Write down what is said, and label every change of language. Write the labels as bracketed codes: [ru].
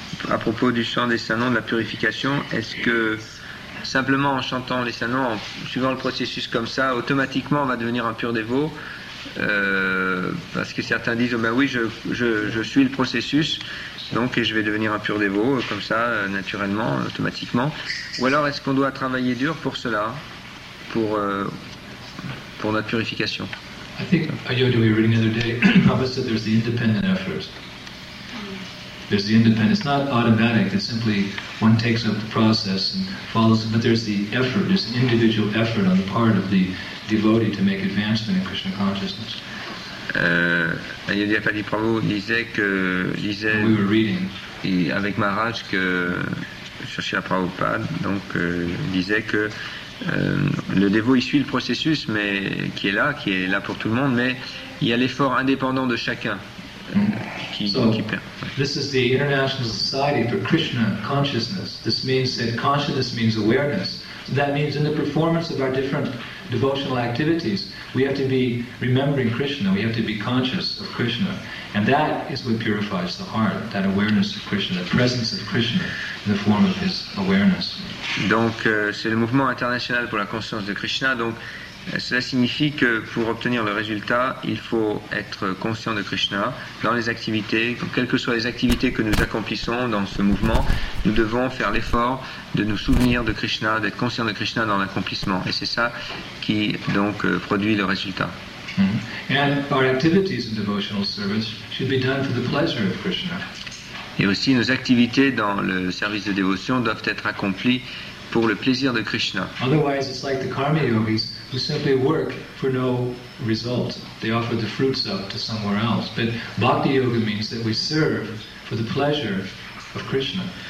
[fr] À propos du chant des saints noms, de la purification, est-ce que simplement en chantant les saints noms, en suivant le processus comme ça, automatiquement on va devenir un pur dévot? Parce que certains disent, oh ben oui, je suis le processus, donc et je vais devenir un pur dévot, comme ça, naturellement, automatiquement. Ou alors est-ce qu'on doit travailler dur pour cela, pour notre purification? [en] I think Ayodhya, we were reading the other day, Prabhupada said there's the independent effort. There's the independence. It's not automatic. It's simply one takes up the process and follows. But there's the effort, there's individual effort on the part of the devotee to make advancement in Krishna consciousness. [fr] Yadiyapati Prabhu disait que disait [en] we were reading, [fr] et avec Maharaj que sur Srila Prabhupada donc disait que le dévot il suit le processus mais qui est là pour tout le monde, mais il y a l'effort indépendant de chacun qui perd. [en] This is the International Society for Krishna Consciousness. This means that consciousness means awareness. So that means in the performance of our different devotional activities, we have to be remembering Krishna, we have to be conscious of Krishna. And that is what purifies the heart, that awareness of Krishna, the presence of Krishna in the form of his awareness. [fr] Donc, c'est le mouvement international pour la conscience de Krishna. Donc, cela signifie que pour obtenir le résultat, il faut être conscient de Krishna dans les activités, quelles que soient les activités que nous accomplissons dans ce mouvement, nous devons faire l'effort de nous souvenir de Krishna, d'être conscient de Krishna dans l'accomplissement. Et c'est ça qui donc produit le résultat. [en] And our activities in devotional service should be done for the pleasure of Krishna. [fr] Et aussi nos activités dans le service de dévotion doivent être accomplies pour le plaisir de Krishna. [en] Otherwise, it's like the karma yogis who simply work for no result. They offer the fruits up to somewhere else. But bhakti yoga means that we serve for the pleasure of Krishna.